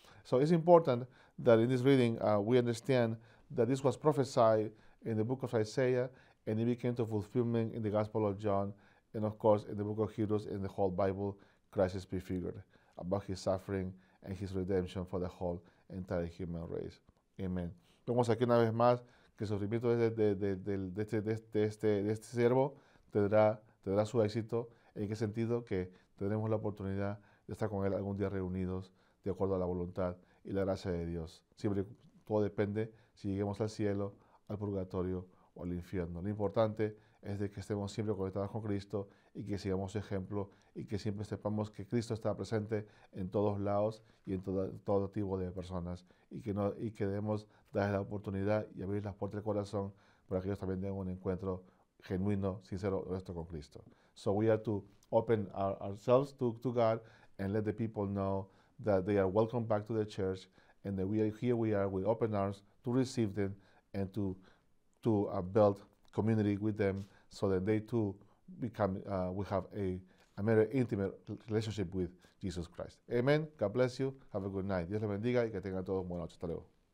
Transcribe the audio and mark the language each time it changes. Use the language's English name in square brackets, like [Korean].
[English] So it's important that in this reading we understand that this was prophesied in the book of Isaiah, and it became to fulfillment in the Gospel of John, and of course in the book of Hebrews, in the whole Bible, Christ is prefigured about his suffering and his redemption for the whole entire human race. Amen. [Spanish] Vemos aquí una vez más que el sufrimiento de este siervo tendrá su éxito. ¿En qué sentido? Que tendremos la oportunidad de estar con él algún día reunidos de acuerdo a la voluntad y la gracia de Dios. Siempre todo depende si lleguemos al cielo, al purgatorio o al infierno. Lo importante es de que estemos siempre conectados con Cristo y que sigamos su ejemplo y que siempre sepamos que Cristo está presente en todos lados y en todo tipo de personas y que debemos darle la oportunidad y abrir las puertas del corazón para que ellos también tengan un encuentro genuino, sincero, honesto con Cristo. [English] So we are to open ourselves to God and let the people know that they are welcome back to the church and that here we are with open arms to receive them and to build community with them so that they too become, we have a very intimate relationship with Jesus Christ. Amen. God bless you. Have a good night. [Spanish] Dios le bendiga y que tengan todos buenas noches. Hasta luego.